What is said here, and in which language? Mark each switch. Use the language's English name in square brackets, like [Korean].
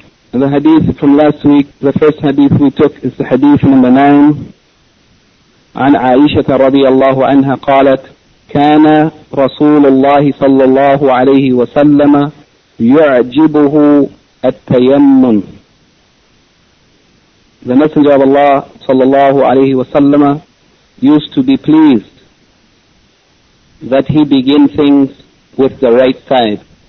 [English] The hadith from last week, the first hadith we took is the hadith number 9. [Arabic] عن عائشة رضي الله عنها قالت كان رسول الله صلى الله عليه وسلم يعجبه التيمم. [English] The Messenger of Allah [Arabic] صلى الله عليه وسلم [English] used to be pleased that he begin things with the right side.